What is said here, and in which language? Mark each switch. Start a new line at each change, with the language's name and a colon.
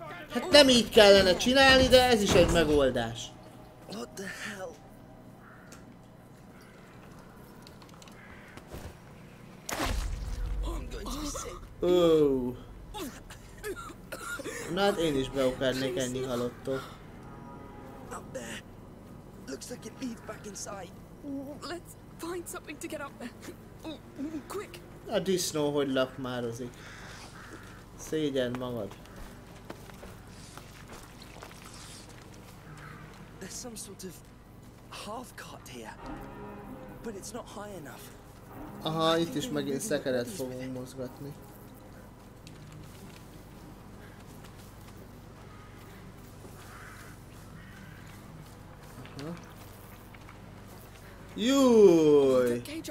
Hungarian: Hát nem így kellene csinálni, de ez is egy megoldás. Na hát én is beukárnék ennyi halottól.
English: Up there. Looks like it leads back inside. Let's find something to get up there. Quick.
Hungarian: A disznó hogy lakmározik. Szégyen magad.
English: There's some sort of half cut here. But it's not high enough.
Hungarian: Aha, itt is megint szekeret fogunk mozgatni. Júj!